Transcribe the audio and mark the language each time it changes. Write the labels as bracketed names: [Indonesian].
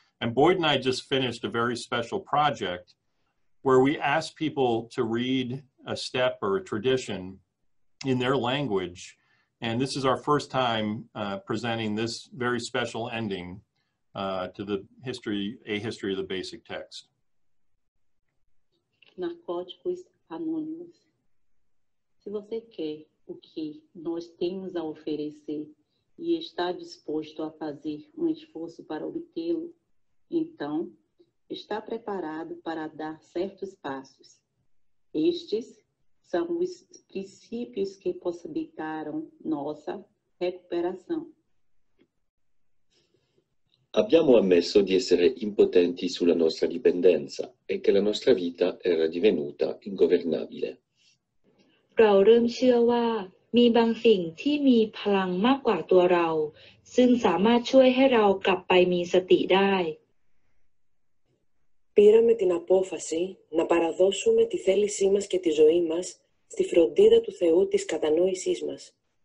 [English] And Boyd and I just finished a very special project where we ask people to read a step or a tradition in their language. And this is our first time presenting this very special ending to the history, a history of the Basic Text. [Portuguese] Narcóticos Anônimos. Se você quer o que nós temos a oferecer e está disposto a fazer um esforço para obtê-lo, então está preparado para dar certos passos. Estes são os princípios que possibilitaram nossa recuperação. [Italian] Abbiamo ammesso di essere impotenti sulla nostra dipendenza e che la nostra vita era divenuta ingovernabile. [Thai] เราเริ่มเชื่อว่ามีบางสิ่งที่มีพลังมากกว่าตัวเราซึ่งสามารถช่วยให้เรากลับไปมีสติได้ [Greek] Πήραμε την απόφαση να παραδώσουμε τη θέλησή μας και τη ζωή μας στη φροντίδα του Θεού της κατανόησής μας.